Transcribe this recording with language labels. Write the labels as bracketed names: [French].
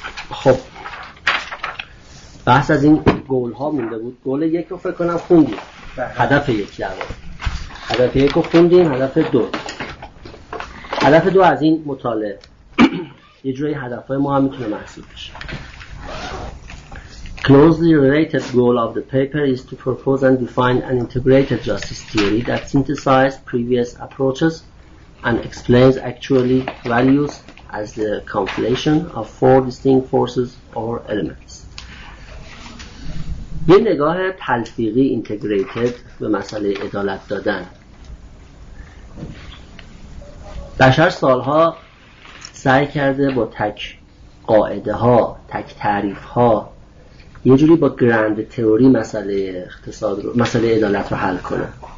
[Persian] خب بحث از این گول ها مونده بود. گول یک رو فکر کنم خوندیم، هدف یک رو، هدف یک رو خوندیم، هدف دو، هدف دو از این مطالعه یه جوری هدف های ما هم میتونه محسوب بشه. [English] Closely related goal of the paper is to propose and define an integrated justice theory that synthesizes previous approaches and explains actually values as the conflation of four distinct forces or elements. [Persian] یه نگاه تلفیقی integrated به مسئله عدالت دادن. بشر سالها سعی کرده با تک قاعده ها، تک تعریف ها، یه جوری با گرند تئوری مسئله اقتصاد رو، مسئله عدالت رو حل کنه.